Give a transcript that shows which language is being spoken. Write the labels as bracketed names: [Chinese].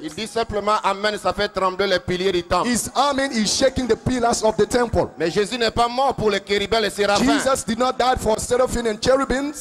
[French] il dit simplement, amen, ça fait trembler les piliers du temple. [English] His amen is shaking the pillars of the temple. [French] Mais Jésus n'est pas mort pour les chérubins, les séraphins. [English] Jesus did not die for seraphim and cherubims.